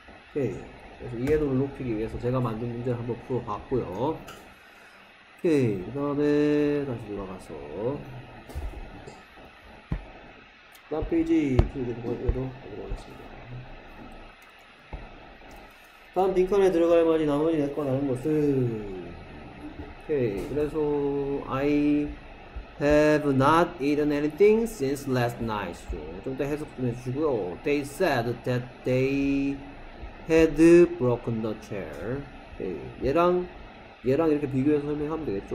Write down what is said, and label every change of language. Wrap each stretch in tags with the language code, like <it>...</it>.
<ko>오케이. 그래서 이해도를 높이기 위해서 제가 만든 문제를 한번 풀어봤고요. 오케이. 그 다음에 다시 돌아가서. 다음 페이지 풀어보도록 하겠습니다. 다음 빈칸에 들어갈 말이 나머지 내꺼 다른 것은 오케이. 그래서</ko> <en>I have not eaten anything since last night.</en> <ko>좀 더 해석 좀 해주시고요.</ko> <en>They said that they had broken the chair.</en> <ko>오케이. 얘랑 이렇게 비교해서 설명하면 되겠죠.</ko>